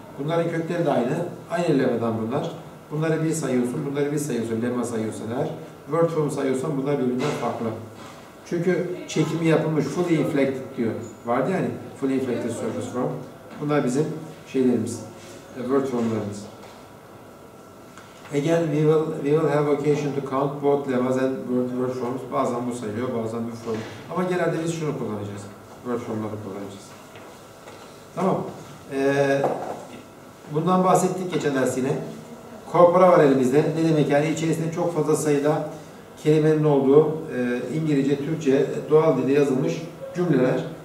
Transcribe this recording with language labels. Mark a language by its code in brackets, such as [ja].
[tr] Bunların kökleri de aynı, aynı lemmadan bunlar. Bunları bir sayıyorsun, bunları bir sayıyorsun, lemma sayıyorsan eğer. Word form sayıyorsan bunlar birbirinden farklı. Çünkü çekimi yapılmış, fully inflected diyor. Vardı yani, fully inflected surface form. Bunlar bizim şeylerimiz, word formlarımız. [en] Again, we will have occasion to count both lemmas and word forms. [tr] Bazen bu sayılıyor, bazen bu form. Ama genelde biz şunu kullanacağız. Word formları kullanacağız. Tamam. Bundan bahsettik geçen ders yine. Korpora var elimizde. Ne demek yani? İçerisinde çok fazla sayıda kelimenin olduğu İngilizce, Türkçe, doğal dilde yazılmış cümleler.